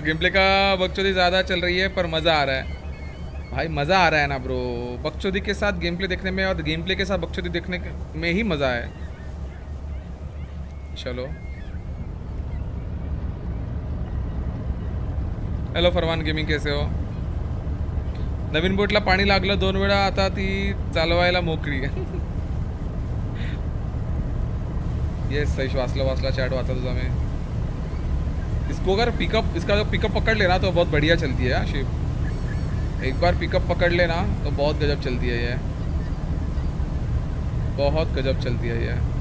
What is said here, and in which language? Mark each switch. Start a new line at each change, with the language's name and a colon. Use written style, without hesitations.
Hindi: Game play का बकचोदी ज़्यादा चल रही है पर मज़ा आ रहा है भाई, मज़ा आ रहा है ना ब्रो. बकचोदी के साथ गेम प्ले देखने में और गेम प्ले के साथ बकचोदी देखने में ही मज़ा है. चलो हेलो फरमान गेमिंग, कैसे हो?
Marathi: नवीन बोटला पाणी लागलं 2 वेळा, आता ती चालवायला मोकळी. येस सईश, वाचला चॅट वाचला तुझा मी.
Hindi: इसको अगर पिकअप, इसका जो पिकअप पकड ले ना तो बहुत बढ़िया चलती है शिप. एक बार पिकअप पकड़ ले ना तो बहुत गजब चलती है ये, बहुत गजब चलती है ये.